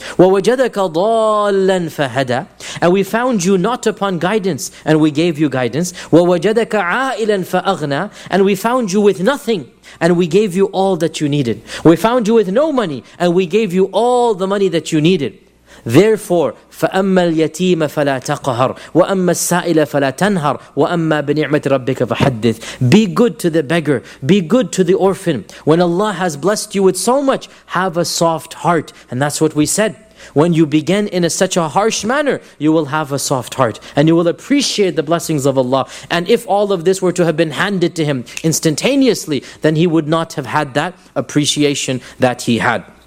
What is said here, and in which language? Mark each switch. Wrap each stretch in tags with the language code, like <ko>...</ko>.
<ar>وَوَجَدَكَ ضَالًا فَهَدَى.</ar> <en>And we found you not upon guidance and we gave you guidance.</en> <ar>وَوَجَدَكَ عَائِلًا فَأَغْنَى.</ar> <en>And we found you with nothing and we gave you all that you needed. We found you with no money and we gave you all the money that you needed. Therefore,</en> <ar>فَأَمَّا الْيَتِيمَ فَلَا تَقْهَرْ وَأَمَّا السَّائِلَ فَلَا تَنْهَرْ وَأَمَّا بِنِعْمَةِ رَبِّكَ فَحَدِّثْ.</ar> <en>Be good to the beggar, be good to the orphan. When Allah has blessed you with so much, have a soft heart. And that's what we said. When you begin in a, such a harsh manner, you will have a soft heart and you will appreciate the blessings of Allah. And if all of this were to have been handed to him instantaneously, then he would not have had that appreciation that he had.</en>